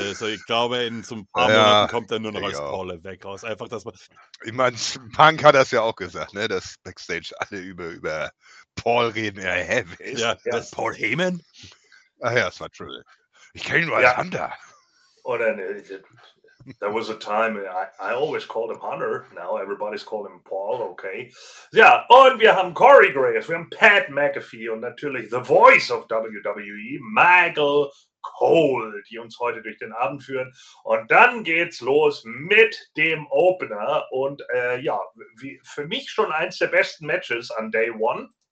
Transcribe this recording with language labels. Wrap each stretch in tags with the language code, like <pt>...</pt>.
<de>Also ich glaube, in so ein paar Monaten kommt er nur noch als Paul Levesque raus. Einfach, dass man. Ich meine, Punk hat das ja auch gesagt, ne? Dass Backstage alle über Paul reden. Ja, hä, wer ist das? Paul Heyman? Ach ja, es war Triple. Ich kenne ihn nur als Hunter. Oder ne?</de> <en>There was a time, I always called him Hunter, now everybody's calling him Paul, okay.</en> <de>Ja, und wir haben Corey Graves, wir haben Pat McAfee und natürlich</de> <en>the voice of WWE,</en> <de>Michael Cole, die uns heute durch den Abend führen. Und dann geht's los mit dem Opener und für mich schon eins der besten Matches an Day One.</de>